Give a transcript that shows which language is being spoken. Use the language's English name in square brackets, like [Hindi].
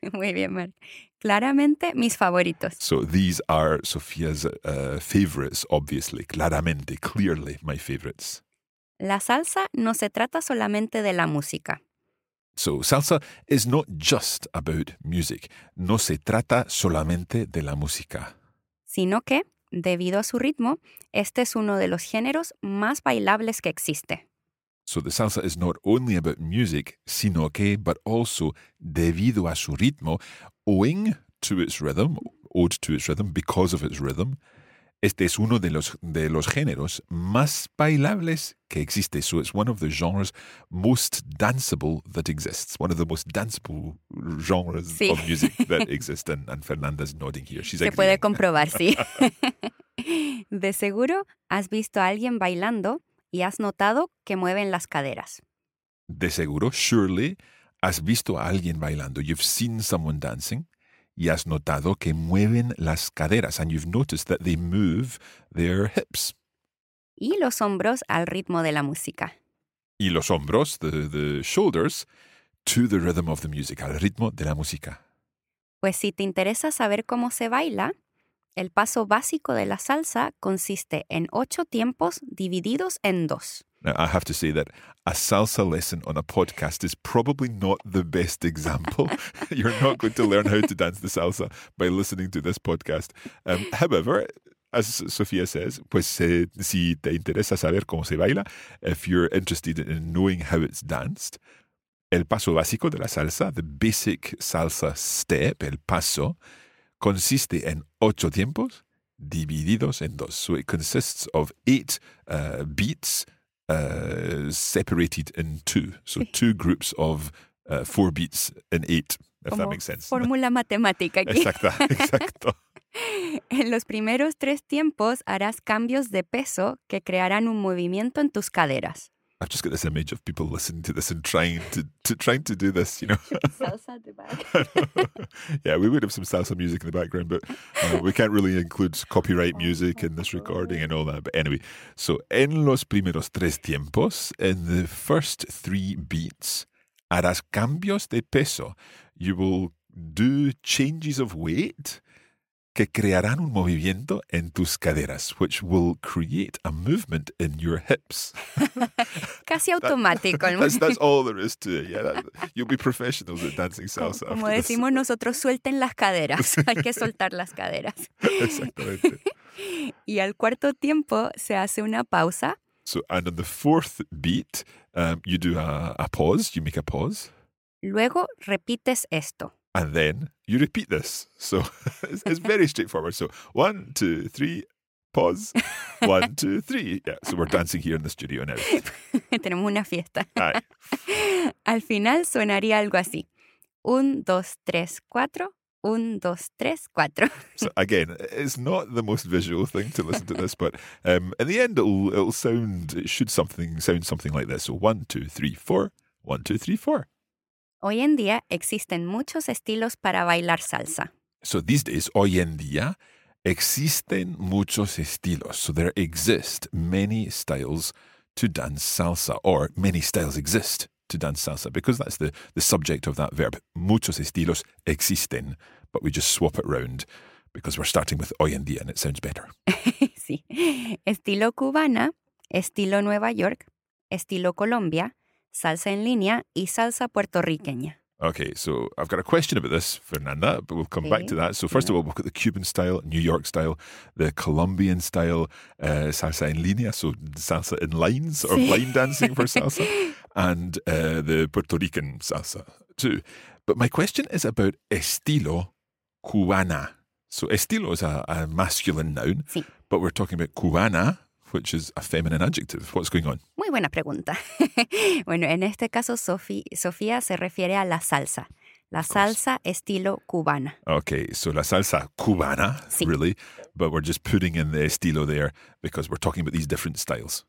[Spanish] Muy bien, Mark. Claramente mis favoritos. [English] So these are Sofía's favorites, obviously. Claramente, clearly my favorites. [Spanish] La salsa no se trata solamente de la música. [English] So salsa is not just about music. [Spanish] No se trata solamente de la música. Sino que, debido a su ritmo, este es uno de los géneros más bailables que existe. [English] So the salsa is not only about music, [Spanish] sino que, [English] but also, [Spanish] debido a su ritmo, [English] owing to its rhythm, owed to its rhythm, because of its rhythm, [Spanish] este es uno de los géneros más bailables que existe. [English] So it's one of the genres most danceable that exists. One of the most danceable genres [Spanish] sí. [English] of music that exists. And Fernanda's nodding here. She's [Spanish] Se puede comprobar, sí. De seguro has visto a alguien bailando y has notado que mueven las caderas. De seguro, [English] surely, [Spanish] has visto a alguien bailando. [English] You've seen someone dancing. [Spanish] Y has notado que mueven las caderas, [English] and you've noticed that they move their hips. [Spanish] Y los hombros al ritmo de la música. Y los hombros, [English] the shoulders, to the rhythm of the music, [Spanish] al ritmo de la música. Pues si te interesa saber cómo se baila, el paso básico de la salsa consiste en 8 tiempos divididos en 2. [English] Now, I have to say that a salsa lesson on a podcast is probably not the best example. You're not going to learn how to dance the salsa by listening to this podcast. However, as Sofía says, [Spanish] pues si te interesa saber cómo se baila, [English] if you're interested in knowing how it's danced, [Spanish] el paso básico de la salsa, [English] the basic salsa step, [Spanish] el paso, consiste en 8 tiempos divididos en 2. [English] So it consists of 8 beats, separated in 2. So 2 groups of 4 beats in 8, if [Spanish] Como [English] that makes sense. [Spanish] Fórmula matemática aquí. Exacto, exacto. En los primeros 3 tiempos harás cambios de peso que crearán un movimiento en tus caderas. [English] I've just got this image of people listening to this and trying to do this, you know. Salsa in the back. Yeah, we would have some salsa music in the background, but we can't really include copyright music in this recording and all that. But anyway, so [Spanish] en los primeros 3 tiempos, [English] in the first 3 beats, [Spanish] harás cambios de peso. [English] You will do changes of weight [Spanish] que crearán un movimiento en tus caderas, [English] which will create a movement in your hips. Casi automático. That's all there is to it. Yeah, you'll be professionals at dancing salsa. [Spanish] Como decimos nosotros, suelten las caderas. Hay que soltar las caderas. Exactamente. Y al cuarto tiempo se hace una pausa. [English] So, and on the fourth beat, you do a pause, you make a pause. [Spanish] Luego repites esto. [English] And then you repeat this. So it's very straightforward. So 1, 2, 3, pause. 1, 2, 3. Yeah, so we're dancing here in the studio now. [Spanish] Tenemos una fiesta. Aye. Al final suenaría algo así. [English] 1, 2, 3, 4. 1, 2, 3, 4. So again, it's not the most visual thing to listen to this, but in the end it'll sound, it should something sound something like this. So 1, 2, 3, 4. 1, 2, 3, 4. [Spanish] Hoy en día existen muchos estilos para bailar salsa. [English] So these days, [Spanish] hoy en día, existen muchos estilos. [English] So there exist many styles to dance salsa, or many styles exist to dance salsa, because that's the subject of that verb. [Spanish] Muchos estilos existen, [English] but we just swap it around because we're starting with [Spanish] hoy en día [English] and it sounds better. [Spanish] Sí. Estilo cubana, estilo Nueva York, estilo Colombia, salsa en línea y salsa puertorriqueña. [English] Okay, so I've got a question about this, Fernanda, but we'll come back to that. So first of all, we've got the Cuban style, New York style, the Colombian style, salsa en línea, so salsa in lines or line dancing for salsa, and the Puerto Rican salsa too. But my question is about estilo cubana. So estilo is a masculine noun, but we're talking about cubana, which is a feminine adjective. What's going on? [Spanish] Muy buena pregunta. Bueno, en este caso, Sofía se refiere a la salsa. La salsa estilo cubana. [English] Okay, so la salsa cubana, really. But we're just putting in the estilo there because we're talking about these different styles.